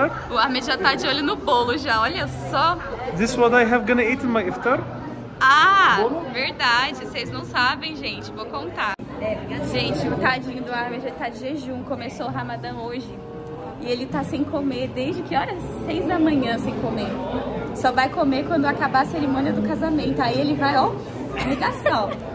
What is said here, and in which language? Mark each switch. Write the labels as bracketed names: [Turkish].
[Portuguese] O Ahmed já tá de olho no bolo já, olha só. [English] This is what I have gonna eat in my iftar. [Portuguese] Ah, bolo? Verdade, vocês não sabem, gente, vou contar. Gente, o tadinho do Ahmed já tá de jejum, começou o Ramadã hoje. E ele tá sem comer desde que horas? 6 da manhã sem comer. Só vai comer quando acabar a cerimônia do casamento. Aí ele vai, ó, ligação.